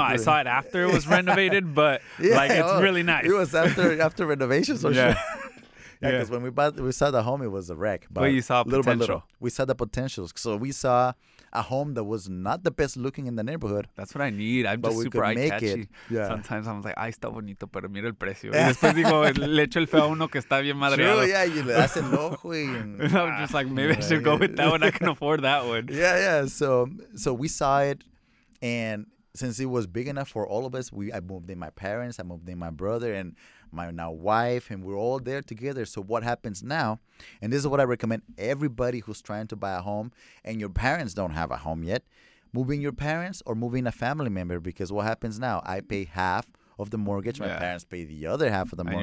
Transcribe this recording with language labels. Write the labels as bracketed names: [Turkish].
[English] I saw it after it was renovated, but yeah, like it's really nice. It was after renovation, so sure. Yeah, because when we saw the home, it was a wreck. But you saw little potential. By little, we saw the potential. So we saw a home that was not the best looking in the neighborhood. That's what I need. I'm just super eye-catchy. Yeah. Sometimes I'm like, [Spanish] ay, está bonito, pero mira el precio. Y después digo, le echo el feo a uno que está bien madreado. [English] True, yeah, you le das el ojo. And I'm just like, maybe I should go with that one. I can afford that one. Yeah, yeah. So we saw it, and since it was big enough for all of us, I moved in my parents, I moved in my brother, and my now wife, and we're all there together. So what happens now, and this is what I recommend everybody who's trying to buy a home and your parents don't have a home yet, moving your parents or moving a family member, because what happens now, I pay half of the mortgage, my parents pay the other half of the mortgage,